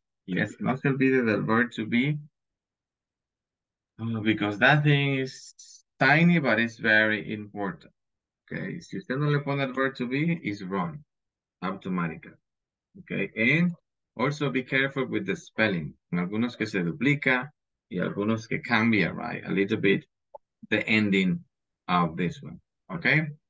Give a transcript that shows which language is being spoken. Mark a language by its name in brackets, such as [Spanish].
[English] Yes, [Spanish] no se olvide del [English] verb to be, because that thing is tiny, but it's very important. Okay, [Spanish] si usted no le pone el [English] verb to be, it's wrong, automatically. Okay, and also be careful with the spelling. [Spanish] En algunos que se duplica, y algunos que cambia, right? [English] A little bit, the ending of this one, okay?